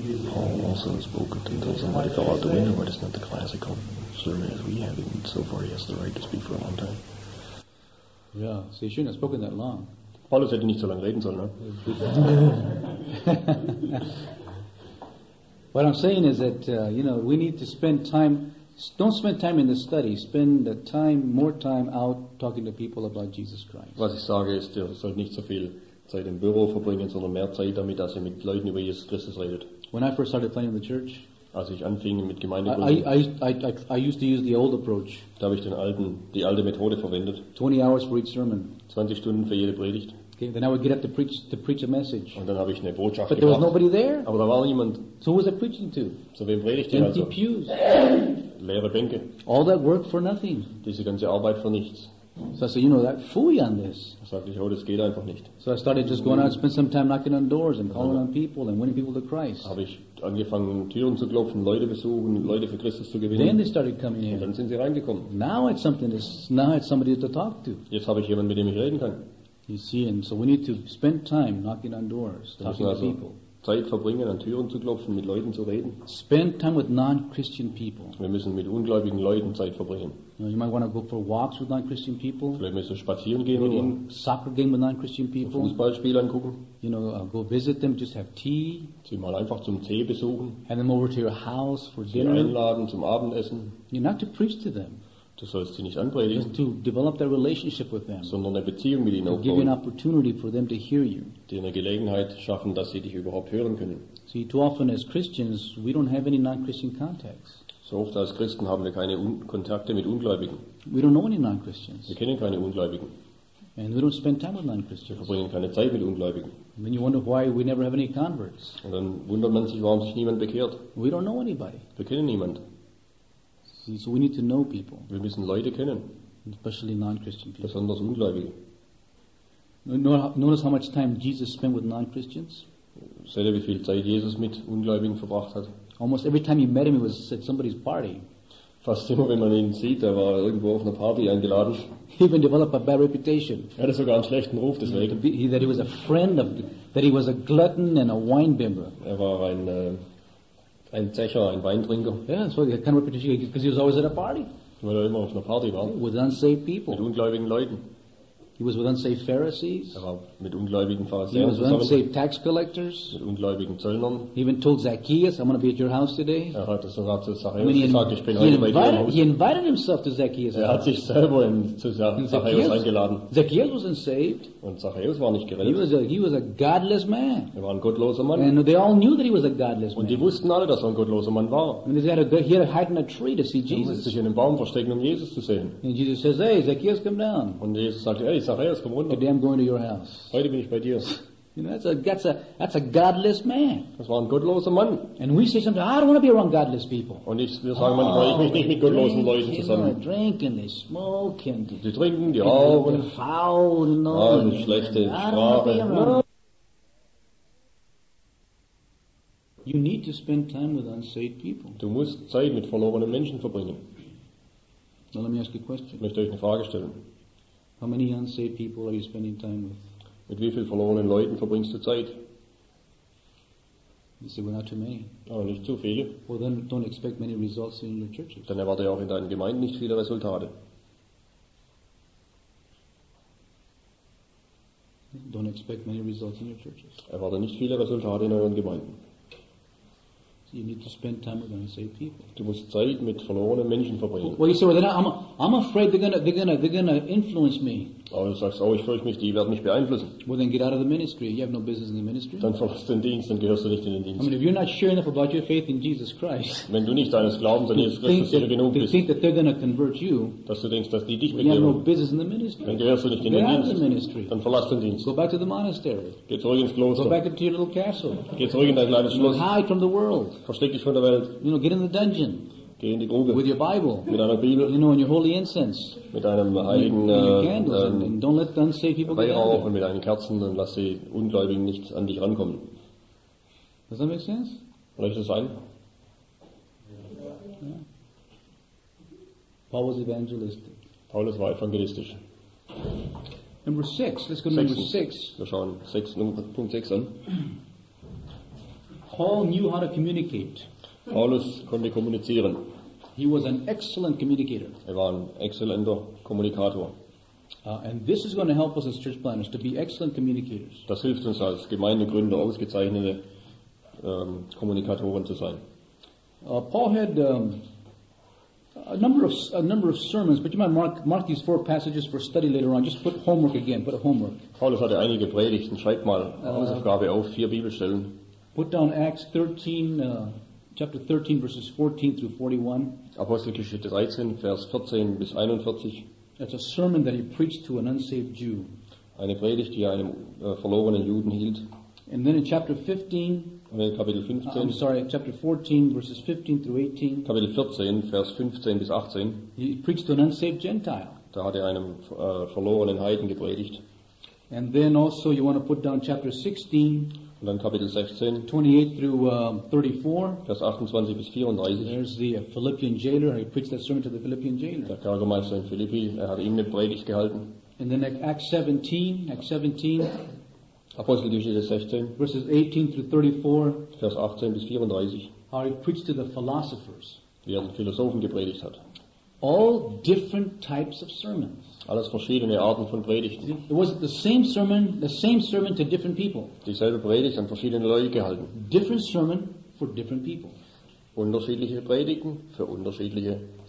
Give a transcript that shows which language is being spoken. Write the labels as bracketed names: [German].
[English] Paul also spoke until somebody fell out the window, but it's not the classical sermon as we have it. So far, he has the right to speak for a long time. Yeah, so he shouldn't have spoken that long. [German] Paulus hätte nicht so lange reden sollen, ne? [English] What I'm saying is that, we need to spend time. Don't spend time in the study. Spend the time, more time out talking to people about Jesus Christ. [German] Was ich sage ist, ihr sollt nicht so viel Zeit im Büro verbringen, sondern mehr Zeit damit, dass ihr mit Leuten über Jesus Christus redet. [English] When I first started planning the church, [German] als ich anfing mit Gemeindegründung, [English] I used to use the old approach. [German] Da habe ich die alte Methode verwendet. [English] 20 hours for each sermon. [German] 20 Stunden für jede Predigt. [English] Okay, then I would get up to preach a message. [German] Und dann habe ich eine Botschaft gemacht. [English] But there was nobody there. [German] Aber da war niemand. [English] So who was I preaching to? [German] So wem predigte ich also? [English] Empty pews. [German] Leere Bänke. [English] All that work for nothing. [German] Diese ganze Arbeit für nichts. [English] So I said, you know, that fool you on this. [German] Sagte ich, oh, das geht einfach nicht. [English] So I started just going out, spend some time knocking on doors and calling on people and winning people to Christ. [German] Habe ich angefangen, Türen zu klopfen, Leute besuchen, Leute für Christus zu gewinnen. [English] Then they started coming in. [German] Und dann sind sie reingekommen. [English] Now it's somebody to talk to. [German] Jetzt habe ich jemanden, mit dem ich reden kann. [English] You see, and so we need to spend time knocking on doors, talking to people. [German] Zeit verbringen, an Türen zu klopfen, mit Leuten zu reden. [English] Spend time with non-Christian people. [German] Wir müssen mit ungläubigen Leuten Zeit verbringen. [English] You might want to go for walks with non-Christian people. [German] Vielleicht müssen wir spazieren gehen oder [English] soccer game with non-Christian people. [German] Fußballspiel angucken. [English] You know, go visit them, just have tea. [German] Sie mal einfach zum Tee besuchen. [English] Hand them over to your house for dinner. [German] Sie einladen zum Abendessen. [English] You're not to preach to them. [German] Du sollst sie nicht anpredigen. [English] To develop that relationship with them. [German] Sondern eine Beziehung mit ihnen aufbauen. [English] Give you an opportunity for them to hear you. [German] Dir eine Gelegenheit schaffen, dass sie dich überhaupt hören können. [English] See, too often as Christians, we don't have any non-Christian contacts. [German] So oft als Christen haben wir keine Kontakte mit Ungläubigen. [English] We don't know any non-Christians. [German] Wir kennen keine Ungläubigen. [English] And we don't spend time with non-Christians. [German] Wir verbringen keine Zeit mit Ungläubigen. [English] And then you wonder why we never have any converts. [German] Und dann wundert man sich, warum sich niemand bekehrt. [English] We don't know anybody. [German] Wir kennen niemanden. [English] So we need to know people. [German] Wir müssen Leute kennen. [English] Especially non-Christian people. [German] Besonders Ungläubige. [English] Notice how much time Jesus spent with non-Christians. [German] Seht ihr, wie viel Zeit Jesus mit Ungläubigen verbracht hat? [English] Almost every time he met him, he was at somebody's party. [German] Fast immer, wenn man ihn sieht, er war irgendwo auf einer Party eingeladen. [English] He even developed a bad reputation. [German] Er hatte sogar einen schlechten Ruf deswegen. [English] That he was a friend of, that he was a glutton and a wine bimber. [German] Er war ein Zecher, ein Weintrinker. [English] Yeah, so he had kind of reputation because he was always at a party. [German] Weil er immer auf einer Party war. [English] With unsaved people. [German] Mit ungläubigen Leuten. [English] He was with unsaved Pharisees. [German] Er war mit ungläubigen Pharisäern. [English] He was with unsaved tax collectors. [German] Mit ungläubigen Zöllnern. [English] He even told Zacchaeus, "I'm going to be at your house today." [German] Er hat sogar zu Zacchaeus gesagt, "Ich bin heute bei dir." [English] He invited himself to Zacchaeus. [German] Er hat sich selber zu Zacchaeus eingeladen. [English] Zacchaeus wasn't saved. [German] Und Zacchaeus war nicht gerettet. [English] He was a godless man. [German] Er war ein gottloser Mann. [English] And they all knew that he was a godless man. [German] Und die wussten alle, dass er ein gottloser Mann war. [English] And he had hidden in a tree to see Jesus. [German] Er musste sich in einem Baum verstecken, um Jesus zu sehen. [English] And Jesus says, "Hey, Zacchaeus, come down." [German] Und Jesus sagt, "Hey, Zacchaeus, komm runter. [English] Today I'm going to your house." [German] Heute bin ich bei dir. [English] You know, that's a godless man. [German] Das war ein gottloser Mann. [English] And we say sometimes, "I don't want to be around godless people." [German] Und wir sagen manchmal, ich will nicht mit gottlosen Leuten zusammen. [English] They drink and they smoke and [German] die trinken, die rauchen. [English] They're foul, you know. [German] Ah, eine schlechte Sprache. [English] You need to spend time with unsaved people. [German] Du musst Zeit mit verlorenen Menschen verbringen. [English] Now let me ask you a question. [German] Ich möchte euch eine Frage stellen. [English] How many unsaved people are you spending time with? [German] Mit wie vielen verlorenen Leuten verbringst du Zeit? [English] You say, "Well, not too many." [German] Oh, nicht zu viele. [English] Well, then don't expect many results in your churches. [German] Dann erwarte auch in deinen Gemeinden nicht viele Resultate. [English] Don't expect many results in your churches. [German] Erwarte nicht viele Resultate in euren Gemeinden. [English] You need to spend time with unsaved people. [German] Du musst Zeit mit verlorenen Menschen verbringen. [English] Well, you say, "Well, then I'm afraid they're gonna influence me." [German] Aber du sagst, oh, ich fürchte mich, die werden mich beeinflussen. [English] Well, then get out of the ministry. You have no business in the ministry. [German] Dann verlass den Dienst, dann gehörst du nicht in den Dienst. [English] I mean, if you're not sure enough about your faith in Jesus Christ, [German] wenn du nicht deines Glaubens an Jesus Christus sicher genug bist, [English] think that they're gonna convert you, [German] dass du denkst, dass die dich bekehren, [English] you have no business in the ministry. [German] Dann gehörst du nicht in [English] get [German] den Dienst. [English] The ministry. [German] Dann verlass den Dienst. [English] Go back to the monastery. [German] Geh zurück ins Kloster. [English] Go back up to your little castle. [German] Geh zurück in dein kleines Schloss. [English] Hide from the world. [German] Versteck dich von der Welt. [English] You know, get in the dungeon. [German] Geh in die Grube. [English] With your Bible. [German] Mit deiner Bibel. [English] You know, and your holy incense. [German] Mit deinem heiligen Weihrauch und mit deinen Kerzen und lass die Ungläubigen nicht an dich rankommen. [English] Does that make sense? [German] Reicht das ein? [English] Paul was evangelistic. [German] Paulus war evangelistisch. [English] Number 6. Let's go to number 6. [German] Wir schauen Punkt 6 an. [English] Paul knew how to communicate. [German] Paulus konnte kommunizieren. [English] He was an excellent communicator. [German] Er war ein exzellenter Kommunikator. [English] And this is going to help us as church planners to be excellent communicators. [German] Das hilft uns als Gemeindegründer, ausgezeichnete Kommunikatoren zu sein. [English] Paul had a number of sermons, but you might mark these four passages for study later on. Just put homework again. Put a homework. [German] Paulus hatte einige Predigten. Schreibt mal Hausaufgabe auf. Vier Bibelstellen. [English] Put down Acts 13, chapter 13, verses 14 through 41. [German] Apostelgeschichte 13, Vers 14 bis 41. [English] That's a sermon that he preached to an unsaved Jew. [German] Eine Predigt, die er einem verlorenen Juden hielt. [English] And then in chapter 15. [German] Und in Kapitel 15. [English] I'm sorry, chapter 14, verses 15 through 18. [German] Kapitel 14, Vers 15 bis 18. [English] He preached to an unsaved Gentile. [German] Da hat er einem verlorenen Heiden gepredigt. [English] And then also you want to put down chapter 16. [German] Und dann Kapitel 16, [English] 28 through, 34, [German] Vers 28 bis 34. [English] There's the Philippian jailer. He preached that sermon to the Philippian jailer. [German] Der Kerkermeister in Philippi, er hat ihm eine Predigt gehalten. [English] And then Acts 17, [German] Apostelgeschichte 16, [English] verses 18 through 34, [German] Vers 18 bis 34. [English] How he preached to the philosophers. [German] Wie er den Philosophen gepredigt hat. [English] All different types of sermons. [German] Alles verschiedene Arten von Predigten. [English] It was the same sermon to different people. [German] Dieselbe Predigt an verschiedene Leute gehalten. [English] Different sermon for different people. [German] Unterschiedliche Predigten für unterschiedliche